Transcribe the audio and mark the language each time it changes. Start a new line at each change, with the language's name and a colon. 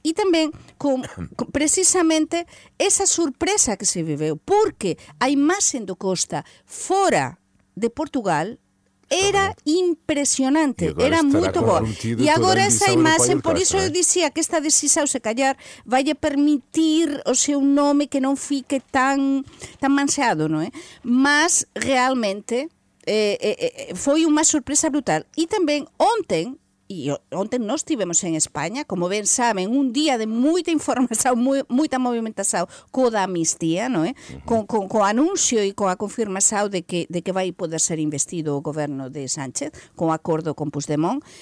Galician: E tamén con precisamente esa sorpresa que se viveu, porque a imaxen do Costa fora de Portugal era impresionante, era moito boa. E agora essa imaxen, por isso eu dicía que esta decisão, se callar, vai permitir o seu nome que non fique tan, tan manseado, non é? Mas realmente foi unha sorpresa brutal.
Portuguese: E tamén ontem, e ontem nós estivemos em Espanha, como bem sabem, um dia de muita informação, muita movimentação com a da amnistia, não é? Com o anúncio e com a confirmação de que vai poder ser investido o governo de Sánchez, com o acordo com Puigdemont.